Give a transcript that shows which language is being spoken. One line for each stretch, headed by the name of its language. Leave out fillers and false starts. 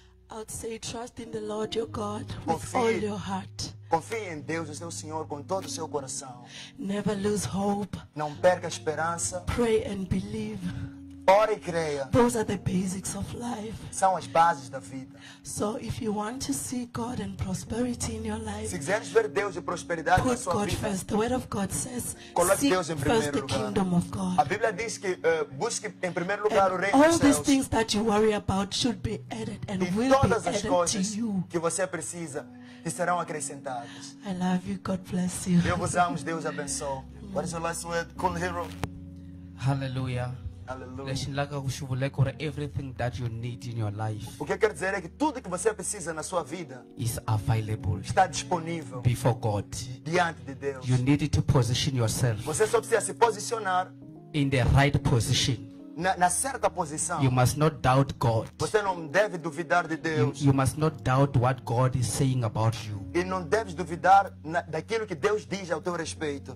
English: I'd say trust in the Lord your God with all your heart.
Portuguese: Confie em Deus, o seu Senhor, com todo o seu coração.
English: Never lose hope.
Portuguese: Não perca a esperança.
English: Pray and believe.
Portuguese: Ora e creia.
English: Those are the basics of life.
Portuguese: São as bases da vida.
English: So if you want to see God and prosperity in your life,
Portuguese: se quiseres ver Deus e prosperidade na sua vida,
English: put God first. The word of God says,
Portuguese: coloque Deus em primeiro lugar.
English: First the kingdom of God.
Portuguese: A Bíblia diz que busque em primeiro lugar o reino de Deus.
English: All these things that you worry about should be added and will be added to you.
Portuguese: E todas as coisas que você precisa te serão acrescentadas.
English: I love you. God bless you.
Portuguese: Eu vos amo. Deus abençoe.
English: What is your last word, cool hero? Hallelujah. Hallelujah. Everything that you need in your life,
Portuguese: o que eu quero dizer é que tudo que você precisa na sua vida
English: is available,
Portuguese: está disponível
English: before God,
Portuguese: diante de Deus.
English: You need to position yourself,
Portuguese: você só precisa se posicionar
English: in the right position,
Portuguese: na certa posição.
English: You must not doubt God,
Portuguese: você não deve duvidar de Deus.
English: You must not doubt what God is saying about you,
Portuguese: e não deves duvidar daquilo que Deus diz ao teu respeito.